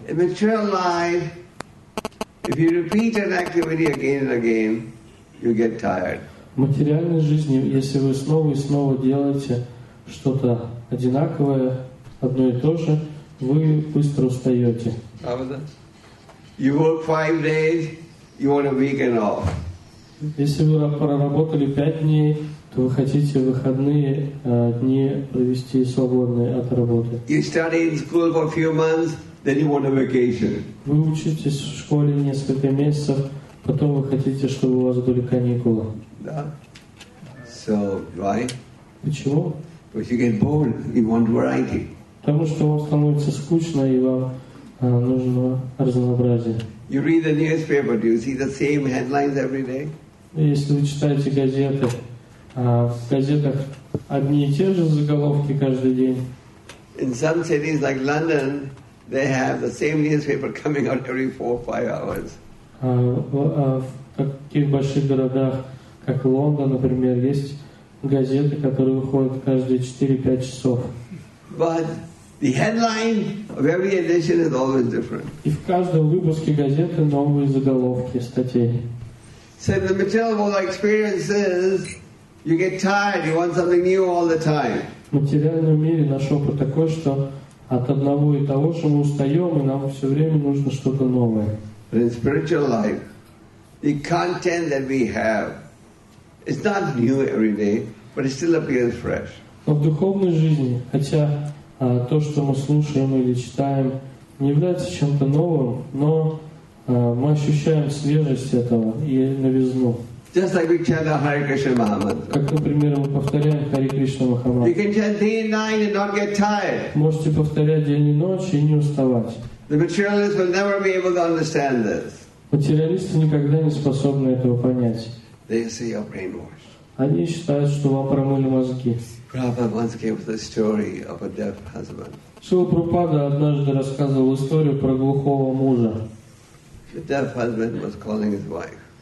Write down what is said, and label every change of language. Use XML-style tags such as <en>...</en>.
<en>In material life, if you repeat an activity again and again, you get tired.</en> <ru>В материальной жизни, если вы снова и снова делаете что-то одинаковое, одно и то же, вы быстро устаете. Правда?</ru> <en>You work 5 days. You want a weekend off.</en> <ru>Если вы проработали 5 дней, то вы хотите выходные дни провести свободные от работы.</ru> <en>You study in school for a few months, then you want a vacation.</en> <ru>Вы учитесь в школе несколько месяцев, потом вы хотите, чтобы у вас были каникулы. Да.</ru> <en>So why?</en> <ru>Почему?</ru> <en>Because you get bored. You want variety.</en> <ru>Потому что вам становится скучно и вам нужно разнообразие.</ru> <en>You read the newspaper, do you see the same headlines every day?</en> <ru>Если вы читаете газеты, в газетах одни и те же заголовки каждый день.</ru> <en>In some cities like London, they have the same newspaper coming out every 4 or 5 hours.</en> <ru>В таких больших городах, как Лондон, например, есть газеты, которые выходят каждые 4-5 часов.</ru> <en>But the headline of every edition is always different.</en> <ru>И в каждом выпуске газеты новые заголовки статей.</ru> <en>So the material experience is you get tired, you want something new all the time.</en> <ru>В материальном мире наш опыт такой, что от одного и того же мы устаем, и нам все время нужно что-то новое.</ru> <en>But in spiritual life, the content that we have is not new every day, but it still appears fresh.</en> <ru>Но в духовной жизни, хотя то, что мы слушаем или читаем, не является чем-то новым, но мы ощущаем свежесть этого и новизну.</ru> <en>Just like we chant the Hare Krishna Mahamantra.</en> <ru>Как, например, мы повторяем Hare Krishna Mahamantra.</ru> <en>You can chant day and night and not get tired.</en> <ru>Можете повторять день и ночь и не уставать.</ru> <en>The materialist will never be able to understand this.</en> <ru>Материалисты никогда не способны этого понять.</ru> <en>They say you're brainwashed.</en> <ru>Они считают, что вам промыли мозги. Прабхупада однажды рассказывал историю про глухого мужа.</ru> <en>The deaf husband was calling his wife.</en>